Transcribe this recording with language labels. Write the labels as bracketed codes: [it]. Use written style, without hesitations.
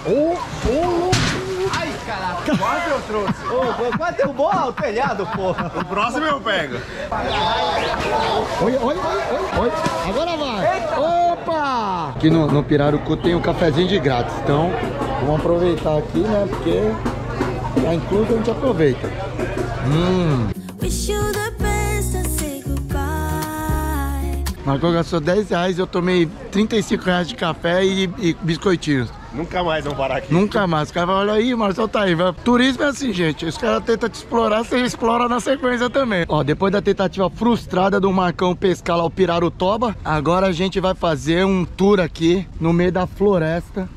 [pt] Ai, caraca, quase eu trouxe. Quase derrubou o telhado, porra. O próximo eu pego. Oi. Agora vai. Eita. Opa! Aqui no pirarucu tem um cafezinho de grátis. Então, vamos aproveitar aqui, né? Porque tá incluso, a gente aproveita. [en] Wish you the best and say goodbye. [pt] Marcou, gastou R$10 e eu tomei R$35 de café e biscoitinhos. Nunca mais vão parar aqui. Nunca mais. Os caras vão olhar aí, o Marcelo tá aí. Turismo é assim, gente. Os caras tentam te explorar, você explora na sequência também. Ó, depois da tentativa frustrada do Marcão pescar lá o pirarutoba, agora a gente vai fazer um tour aqui no meio da floresta.